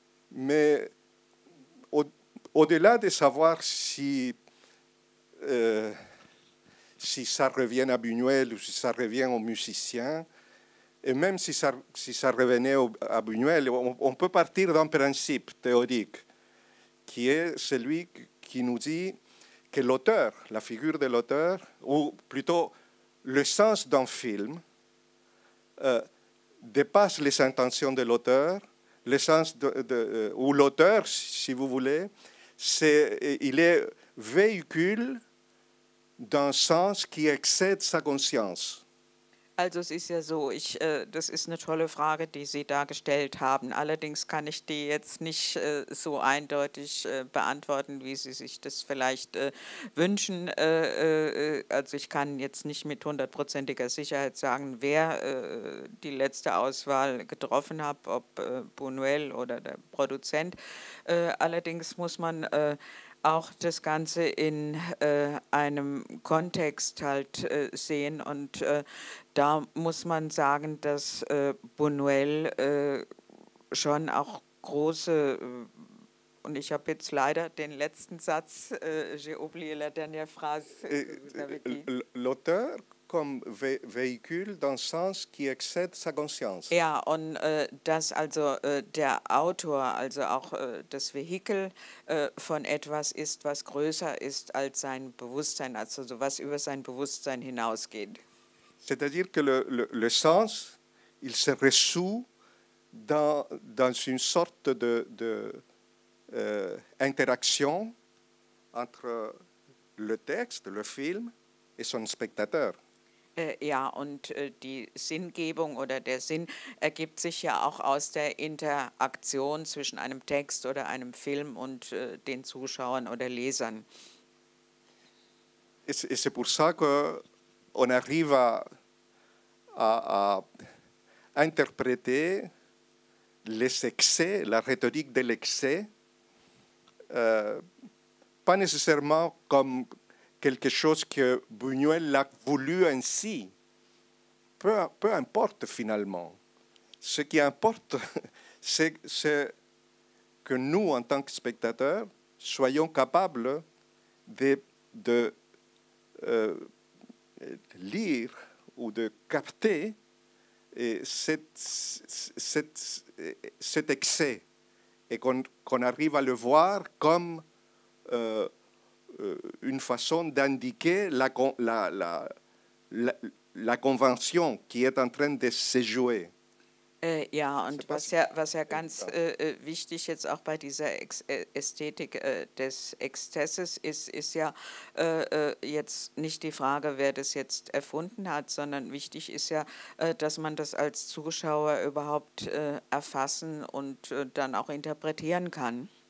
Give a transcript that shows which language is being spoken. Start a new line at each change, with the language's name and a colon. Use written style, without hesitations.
French: Mais au-delà de savoir si ça revient à Buñuel ou si ça revient aux musiciens, et même si ça revenait à Buñuel, on peut partir d'un principe théorique qui est celui qui nous dit que l'auteur, la figure de l'auteur, ou plutôt le sens d'un film, dépasse les intentions de l'auteur. Le sens ou l'auteur, si vous voulez, il est véhicule d'un sens qui excède sa conscience.
German: Also es ist ja so, das ist eine tolle Frage, die Sie da gestellt haben. Allerdings kann ich die jetzt nicht so eindeutig beantworten, wie Sie sich das vielleicht wünschen. Also ich kann jetzt nicht mit hundertprozentiger Sicherheit sagen, wer die letzte Auswahl getroffen hat, ob Buñuel oder der Produzent. Allerdings muss man auch das Ganze in einem Kontext halt sehen. Und da muss man sagen, dass Buñuel schon auch große, und ich habe jetzt leider den letzten Satz,
French: j'ai oublié la dernière phrase. L'auteur comme véhicule d'un sens qui excède sa conscience.
German: Ja, und dass also der Autor, also auch das Vehikel von etwas ist, was größer ist als sein Bewusstsein, also so was über sein Bewusstsein hinausgeht.
French: C'est-à-dire que le sens, il se résout dans une sorte de interaction entre le texte, le film et son spectateur.
German: Ja, und die Sinngebung oder der Sinn ergibt sich ja auch aus der Interaktion zwischen einem Text oder einem Film und den Zuschauern oder Lesern.
French: Et c'est pour ça que on arrive à interpréter les excès, la rhétorique de l'excès, pas nécessairement comme quelque chose que Buñuel l'a voulu ainsi. Peu importe finalement. Ce qui importe, c'est que nous, en tant que spectateurs, soyons capables de lire ou de capter cet excès et qu'on arrive à le voir comme une façon d'indiquer la convention qui est en train de se jouer.
German: Ja, und was ja ganz wichtig jetzt auch bei dieser Ästhetik des Exzesses ist, ist ja jetzt nicht die Frage, wer das jetzt erfunden hat, sondern wichtig ist ja, dass man das als Zuschauer überhaupt erfassen und dann auch interpretieren kann.